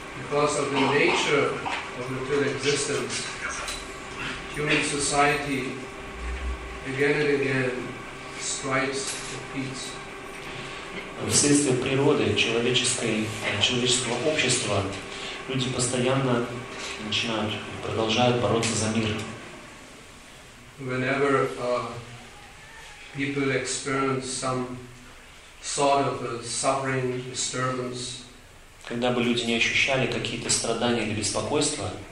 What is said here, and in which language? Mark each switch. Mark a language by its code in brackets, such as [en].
[en] Because of the nature of material existence, human society again and again strives for peace. [ru] Вследствие природы человеческого общества люди постоянно начинают, продолжают бороться за мир. [en] Whenever people experience some sort of a suffering disturbance, [ru] когда бы люди не ощущали какие-то страдания или беспокойства,